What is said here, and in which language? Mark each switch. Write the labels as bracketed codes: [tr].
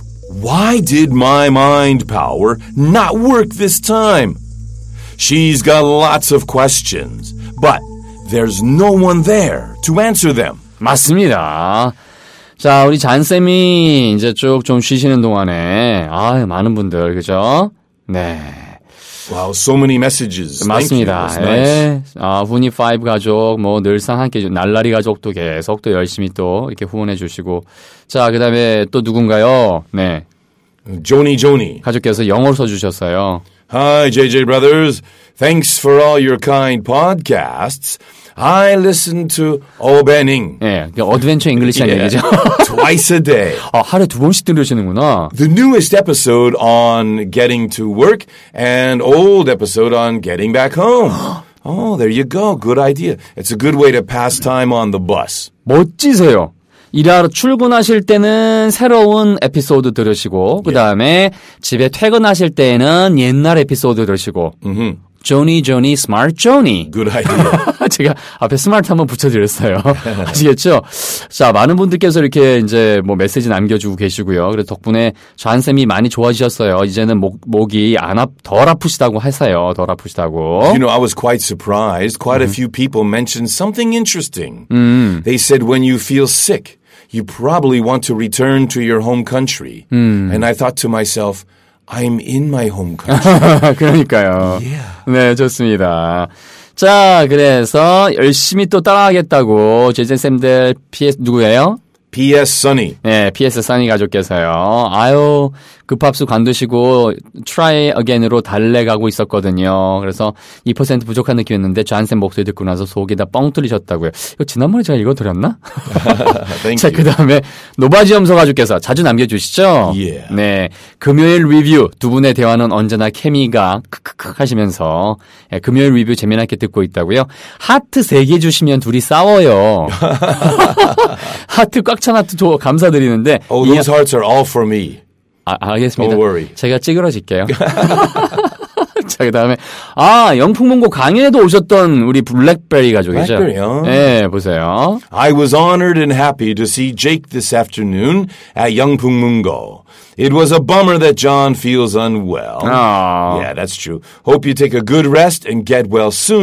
[en] Why did my mind power not work this time? She's got lots of questions, but there's no one there to answer them. [ko] 맞습니다. 자, 우리 잔쌤이 이제 쭉 좀 쉬시는 동안에, 아, 많은 분들, 그죠? 네. [en] Wow, so many messages. [ko] 맞습니다. [en] Thank you. That's nice. [ko] 예. 아, 후니 파이브 가족, 뭐, 늘상 함께, 날라리 가족도 계속 또 열심히 또 이렇게 후원해 주시고. 자, 그 다음에 또 누군가요? 네. [en] Joni Joni. [ko] 가족께서 영어로 써주셨어요. [en] Hi, JJ Brothers. Thanks for all your kind podcasts. I listen to Obening. [ko] 예, 어드벤처 잉글리시 한 얘기죠. [en] Twice a day. [ko] 아, 하루에 두 번씩 들으시는구나. [en] The newest episode on getting to work and old episode on getting back home. Oh, there you go. Good idea. It's a good way to pass time on the bus. [ko] 멋지세요. 일하러 출근하실 때는 새로운 에피소드 들으시고 yeah. 그다음에 집에 퇴근하실 때에는 옛날 에피소드 들으시고 조니 조니 스마트 조니 [en] Good idea. [ko] 제가 앞에 스마트 한번 붙여드렸어요. 아시겠죠? 자, 많은 분들께서 이렇게 이제 뭐 메시지 남겨주고 계시고요. 그래서 덕분에 잔쌤이 많이 좋아지셨어요. 이제는 목이 덜 아프시다고 하세요. 덜 아프시다고. [en] You know, I was quite surprised. Quite a few people mentioned something interesting. They said when you feel sick, you probably want to return to your home country. And I thought to myself, I'm in my home country. [ko] 그러니까요. [en] Yeah. [ko] 네, 좋습니다. 자, 그래서 열심히 또 따라가겠다고 제재쌤들 PS 누구예요? [en] P P.S. Sunny. [ko] 네, P.S. Sunny 가족께서요. 아유, 급합수 관두시고 try again으로 달래가고 있었거든요. 그래서 2% 부족한 느낌이었는데 존쌤 목소리 듣고 나서 속에다 뻥 뚫리셨다고요. 이거 지난번에 제가 읽어드렸나? [en] Thank you. [ko] 자, 그다음에 노바지 염소 가족께서 자주 남겨주시죠? [en] Yeah. [ko] 네, 금요일 리뷰 두 분의 대화는 언제나 케미가 크크크 하시면서 네, 금요일 리뷰 재미나게 듣고 있다고요. 하트 3개 주시면 둘이 싸워요. 하트 꽉 찬 하트 줘 감사드리는데 [en] Oh, those hearts are all for me. [ko] 아, 알겠습니다. [en] Don't worry. [ko] 제가 찌그러질게요. 자, 그 다음에 아, 영풍문고 강연에도 오셨던 우리 블랙베리 가족이죠. 블랙베리요? 네, 보세요. [en] I was honored and happy to see Jake this afternoon at 영풍문고. It was a bummer that John feels unwell. Aww. Yeah, that's true. Hope you take a good rest and get well soon.